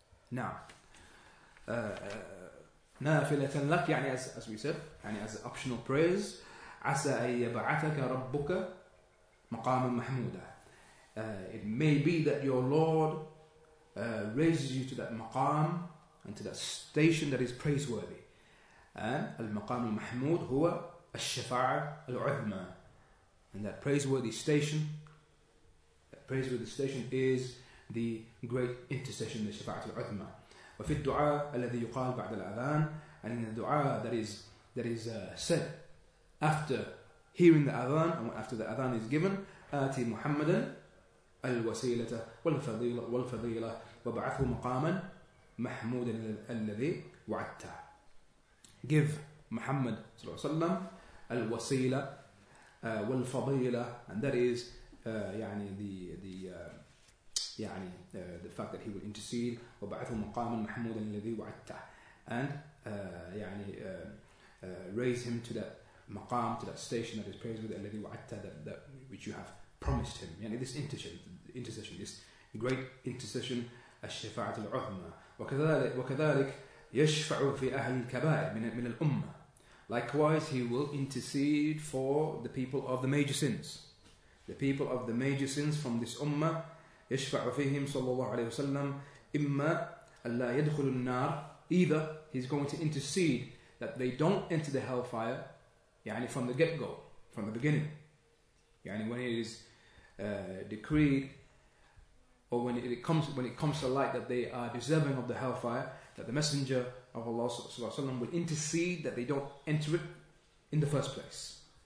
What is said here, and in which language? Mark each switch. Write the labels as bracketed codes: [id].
[ar] Now, نَافِلَةً لَكْ, يعني [en] as we said, [ar] يعني [en] as optional prayers, [ar] عَسَى أَن يَبَعَثَكَ رَبُّكَ مَقَامًا مَحْمُودًا. [en] It may be that your Lord raises you to that maqam and to that station that is praiseworthy. [ar] المقام المحمود هو الشفاعة العظمى. [en] And that praiseworthy station is the great intercession, the شفاعة العظمى. [ar] وفي الدعاء الذي يقال بعد الأذان, [en] and in the دعاء that is said after hearing the أذان and after the أذان is given, [ar] آتي محمدا الوسيلة والفضيلة وبعثه مقاما محمودا الذي وعدته. [en] Give Muhammad صلى الله عليه وسلم [ar] الوسيلة والفضيلة, [en] and that is يعني the fact that he will intercede, [ar] وبعثه مقاما محمودا الذي وعدته, [en] and يعني raise him to that مقام, to that station that is praiseworthy, [ar] الذي وعدته, [en] that which you have promised him. يعني this intercession, this great intercession, [ar] الشفاعة العظمى. وكذلك يشفع في أهل الكبائر من الأمة. [en] Likewise, he will intercede for the people of the major sins. The people of the major sins from this ummah, [ar] يشفع فيهم صلى الله عليه وسلم إما أن لا يدخل النار. [en] Either he's going to intercede that they don't enter the hellfire, يعني from the get-go, from the beginning. يعني when it is decreed, or when it comes to light that they are deserving of the hellfire, that the Messenger of Allah صلى الله عليه وسلم will intercede that they don't enter it in the first place.